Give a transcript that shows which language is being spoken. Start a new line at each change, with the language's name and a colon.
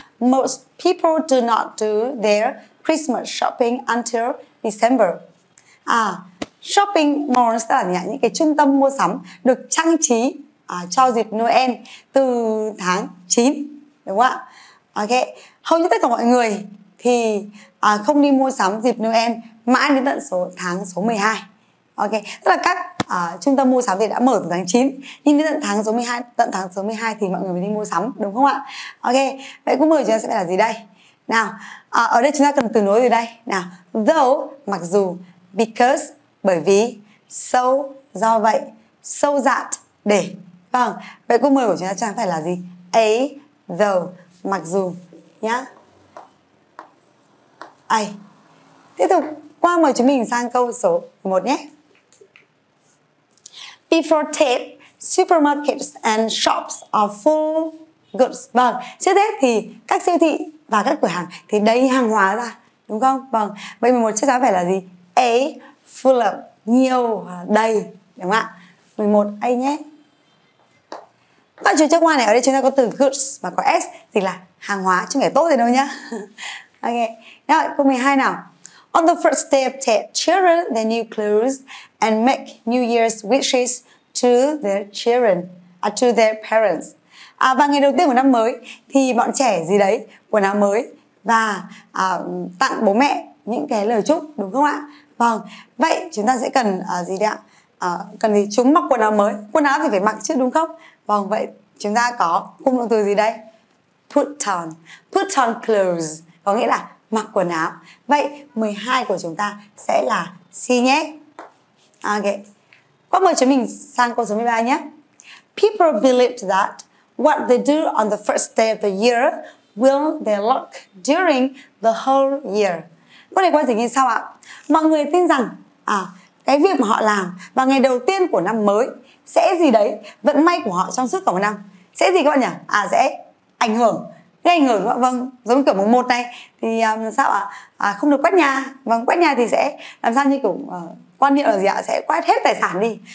English: Most people do not do their Christmas shopping until December.
Vietnamese: À, shopping malls là gì ạ? Những cái trung tâm mua sắm được trang trí cho dịp Noel từ tháng 9, đúng không ạ? Ok, hầu như tất cả mọi người thì không đi mua sắm dịp Noel mãi đến tận tháng số 12. Ok, tức là các trung tâm mua sắm thì đã mở từ tháng 9, nhưng đến tận tháng số 12 thì mọi người mới đi mua sắm, đúng không ạ? Ok, vậy cũng mời chúng ta sẽ là gì đây? Nào, ở đây chúng ta cần từ nối gì đây? Nào, though, mặc dù, because, bởi vì, so, do vậy, so that, để. Vâng, vậy câu 10 của chúng ta chẳng phải là gì? A, though, mặc dù, nhá. A. Tiếp tục, qua mời chúng mình sang câu số 1 nhé.
English: Before Tết, supermarkets and shops are full goods.
Vietnamese: Vâng, trước Tết thì các siêu thị và các cửa hàng thì đầy hàng hóa ra, đúng không? Vâng, vậy 11 chắc chắn phải là gì? A, full up, nhiều, đầy, đúng không ạ? 11, A nhé. Các chữ trước qua này, ở đây chúng ta có từ goods mà có S thì là hàng hóa, chứ không phải tốt gì đâu nhá. Ok, rồi, câu 12 nào.
English: On the first day of Tết, children their new clothes and make New Year's wishes to their children, to their parents.
Vietnamese: À, và ngày đầu tiên của năm mới thì bọn trẻ gì đấy, quần áo mới và tặng bố mẹ những cái lời chúc, đúng không ạ? Vâng, vậy chúng ta sẽ cần gì đấy ạ? Cần gì? Chúng mặc quần áo mới. Quần áo thì phải mặc chứ, đúng không? Vâng, vậy chúng ta có cụm động từ gì đây? put on. Put on clothes có nghĩa là mặc quần áo. Vậy 12 của chúng ta sẽ là si nhé. Ok, cô mời chúng mình sang câu số 13 nhé.
English: People believed that what they do on the first day of the year will their luck during the whole year.
Vietnamese: Câu này có dịch như sau ạ. Mọi người tin rằng cái việc mà họ làm vào ngày đầu tiên của năm mới sẽ gì đấy, vận may của họ trong suốt cả một năm. Sẽ gì các bạn nhỉ? Sẽ ảnh hưởng. Gây ảnh hưởng các bạn, vâng, giống kiểu mùng 1 này thì sao ạ? Không được quét nhà. Vâng, quét nhà thì sẽ làm sao như kiểu quan niệm là gì ạ? Sẽ quét hết tài sản đi.